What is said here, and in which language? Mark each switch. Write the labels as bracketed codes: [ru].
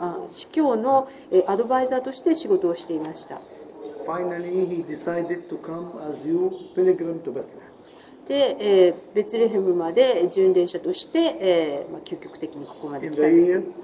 [ja] 司教のアドバイザーとして仕事をしていました。 [en] Finally, he decided to come as you pilgrim to Bethlehem. [ja] で、ベツレヘムまで巡礼者として、まあ、究極的にここまで来たんです。